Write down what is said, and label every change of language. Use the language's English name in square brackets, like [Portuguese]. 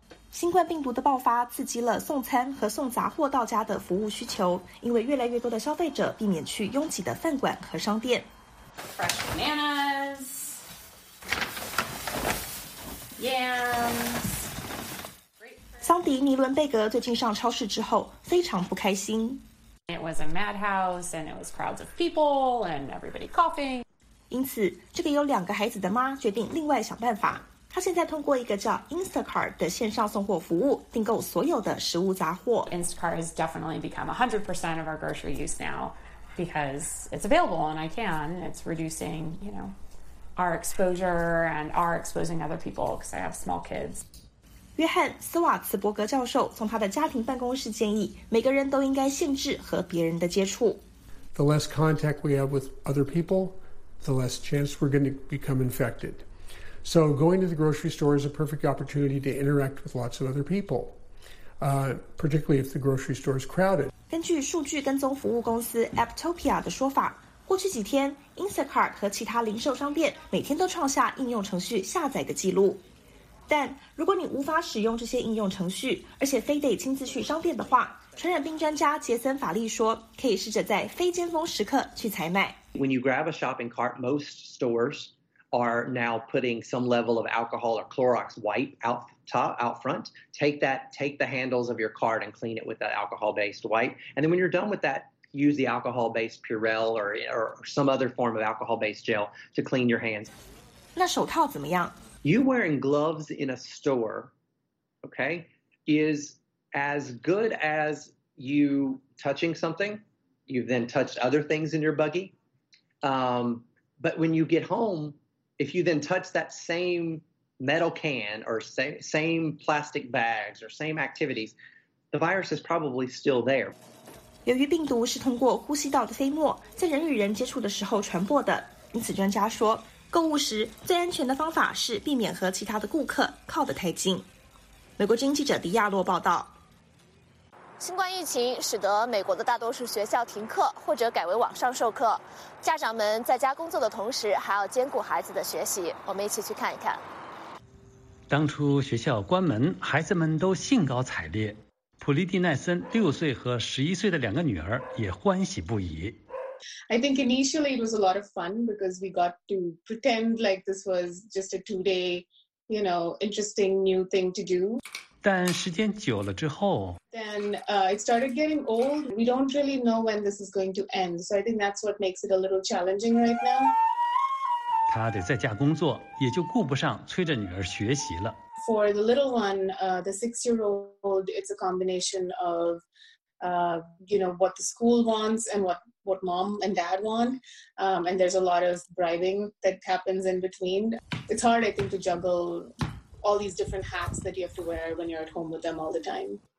[Chinese] 新冠病毒的爆发刺激了送餐和送杂货到家的服务需求，因为越来越多的消费者避免去拥挤的饭馆和商店。 [English] Fresh bananas. Yams. [Chinese] 桑迪尼伦贝格最近上超市之后非常不开心。 [English] It was a madhouse and it was crowds of people and everybody coughing. [Chinese] 因此，这个有两个孩子的妈决定另外想办法。她现在通过一个叫 Instacart 的线上送货服务订购所有的食物杂货。 [English] Instacart has definitely become 100% of our grocery use now because it's available and I can. It's reducing, you know. Our exposure and our exposing other people because I have small kids. [Chinese] 约翰·斯瓦茨伯格教授从他的家庭办公室建议，每个人都应该限制和别人的接触。 [English] The less contact we have with other people, the less chance we're going to become infected. So going to the grocery store is a perfect opportunity to interact with lots of other people, particularly if the grocery store is crowded. [Chinese] 根据数据跟踪服务公司 Aptopia 的说法。过去几天 ，Instacart 和其他零售商店每天都创下应用程序下载的记录。但如果你无法使用这些应用程序，而且非得亲自去商店的话，传染病专家杰森·法利说，可以试着在非尖峰时刻去采买。 [English] When you grab a shopping cart, most stores are now putting some level of alcohol or Clorox wipe out front. Take the handles of your cart and clean it with that alcohol-based wipe. And then when you're done with that. Use the alcohol-based Purell or some other form of alcohol-based gel to clean your hands. [Chinese] 那手套怎么样？ [English] You wearing gloves in a store, okay, is as good as you touching something. You've then touched other things in your buggy. But when you get home, if you then touch that same metal can or same plastic bags or same activities, the virus is probably still there. [Chinese] 由于病毒是通过呼吸道的飞沫在人与人接触的时候传播的，因此专家说，购物时最安全的方法是避免和其他的顾客靠得太近。美国之音记者迪亚洛报道。新冠疫情使得美国的大多数学校停课或者改为网上授课，家长们在家工作的同时还要兼顾孩子的学习。我们一起去看一看。当初学校关门，孩子们都兴高采烈，普利蒂奈森6岁和11岁的两个女儿也欢喜不已。 [English] I think initially it was a lot of fun because we got to pretend like this was just a two-day, you know, interesting new thing to do. [Chinese] 但时间久了之后 [English] ，then it started getting old. We don't really know when this is going to end. So I think that's what makes it a little challenging right now. [Chinese] 她得在家工作，也就顾不上催着女儿学习了。 [English] For the little one, the 6-year-old, it's a combination of, you know, what the school wants and what mom and dad want, and there's a lot of bribing that happens in between. It's hard, I think, to juggle all these different hats that you have to wear when you're at home with them all the time.